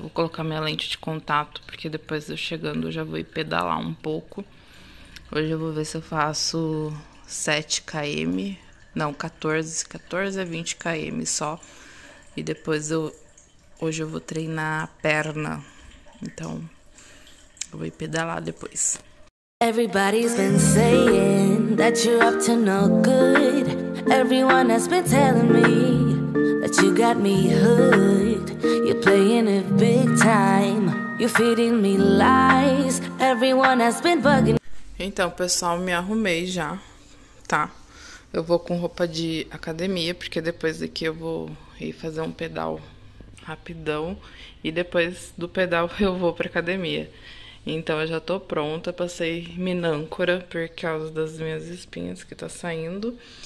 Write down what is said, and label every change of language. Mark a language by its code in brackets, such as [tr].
[pt] Vou colocar minha lente de contato, porque depois eu chegando eu já vou ir pedalar um pouco. Hoje eu vou ver se eu faço 7 km. Não, 14. 14 é 20 km só. E depois hoje eu vou treinar a perna. Então, eu vou ir pedalar depois. [en] Everybody's been saying that you're up to no good. Everyone has been telling me. That you got me hooked. You're playing it big time. You're feeding me lies. Everyone has been bugging. [pt] Então, pessoal, me arrumei já, tá? Eu vou com roupa de academia, porque depois daqui eu vou ir fazer um pedal rapidão. E depois do pedal eu vou pra academia. Então eu já tô pronta, passei minâncora por causa das minhas espinhas que tá saindo.